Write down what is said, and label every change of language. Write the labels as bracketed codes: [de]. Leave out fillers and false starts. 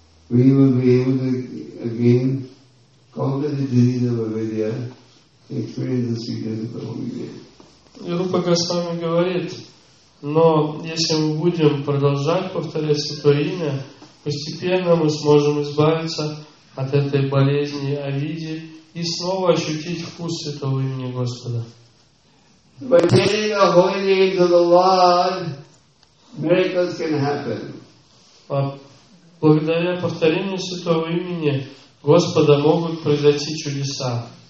[en] We will be able to again conquer the disease of avidya, experience the sweetness of the Holy Name. [ru] Рупа Госвами говорит, но если мы будем продолжать повторять Святое Имя, постепенно мы сможем избавиться от этой болезни авидьи и снова ощутить вкус Святого Имени Господа. [en] By chanting the Holy Name to the Lord, miracles can happen. [ru] Благодаря повторению Святого Имени Господа могут произойти чудеса.